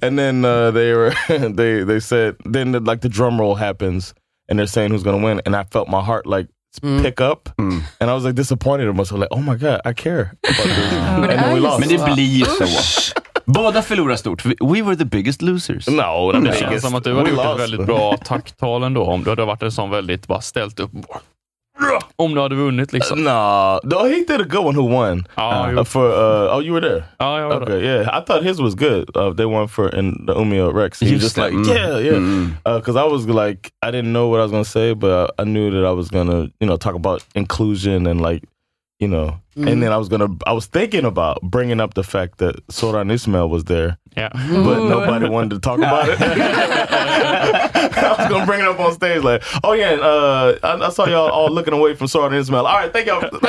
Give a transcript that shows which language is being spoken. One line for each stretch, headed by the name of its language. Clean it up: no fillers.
English: And then they said, then the drum roll happens and they're saying who's going to win. And I felt my heart like pick up. Mm. And I was like disappointed. I was like, oh my God, I care about this. And then we lost.
Swedish: Men det blir så. Båda förlorar stort.
English: We were the biggest losers. No,
Swedish: det känns som att du hade gjort ett väldigt bra tacktal ändå. Om du hade varit en sån väldigt bara ställt upp. Om du hade vunnit liksom.
English: No, he did a good one who won. You were there?
Swedish: Ja, jag var
English: okay, yeah, I thought his was good. They won for in the Umeå Rex. He just like, I was like, I didn't know what I was going to say, but I knew that I was going to, you know, talk about inclusion and like, you know, and then I was thinking about bringing up the fact that Soran Ismail was there, but nobody wanted to talk about it. I was gonna bring it up on stage, like, oh yeah, I saw y'all all looking away from Soran Ismail. All right, thank y'all.